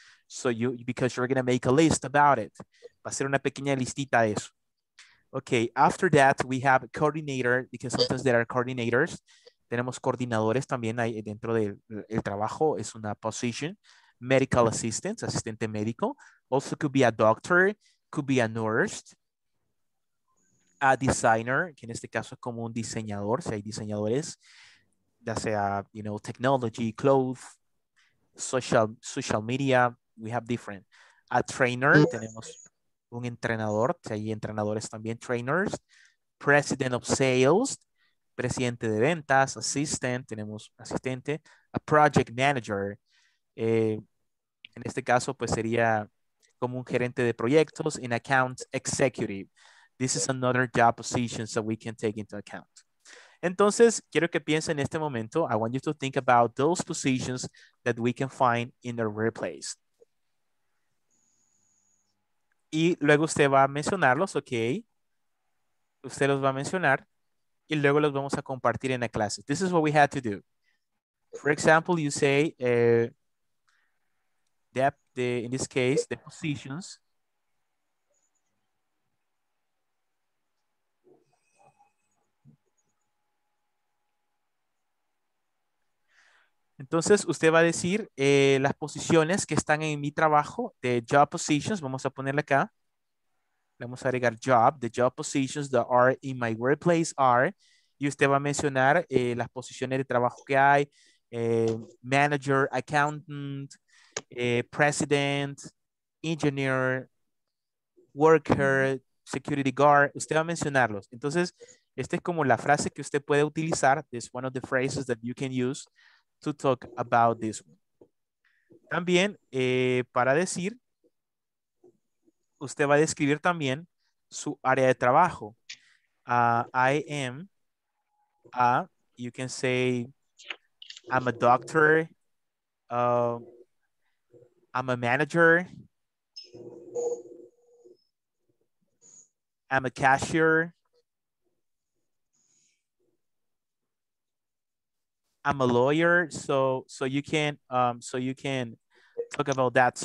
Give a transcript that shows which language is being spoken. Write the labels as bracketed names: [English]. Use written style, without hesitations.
[English] So you, because you're going to make a list about it. [Spanish] Va a ser una pequeña listita de eso. [English] Okay, after that, we have coordinator, because sometimes there are coordinators. [Spanish] Tenemos coordinadores también ahí dentro del trabajo. Es una position. [English] Medical assistant, [Spanish] asistente médico. [English] Also could be a doctor, could be a nurse. [Spanish] A designer, que en este caso es como un diseñador, si hay diseñadores. Ya sea, [English] you know, technology, clothes, social media. We have different. [Spanish] A trainer, tenemos un entrenador, si hay entrenadores también, trainers. [English] President of sales, [Spanish] presidente de ventas, assistant, tenemos asistente. [English] A project manager, [Spanish] en este caso pues sería como un gerente de proyectos. [English] An account executive, this is another job position that we can take into account. [Spanish] Entonces, quiero que piensen en este momento, [English] I want you to think about those positions that we can find in the workplace. [Spanish] Y luego usted va a mencionarlos, ok. Usted los va a mencionar. Y luego los vamos a compartir en la clase. [English] This is what we had to do. For example, you say, in this case, the positions. [Spanish] Entonces, usted va a decir las posiciones que están en mi trabajo, de job positions, vamos a ponerle acá. Le vamos a agregar [English] job, the job positions that are in my workplace are. [Spanish] Y usted va a mencionar las posiciones de trabajo que hay. [English] Manager, accountant, president, engineer, worker, security guard. [Spanish] Usted va a mencionarlos. Entonces, esta es como la frase que usted puede utilizar. [English] This is one of the phrases that you can use to talk about this one. [Spanish] También para decir, usted va a describir también su área de trabajo. [English] I am a, you can say, I'm a doctor, I'm a manager, I'm a cashier, I'm a lawyer, so you can talk about that.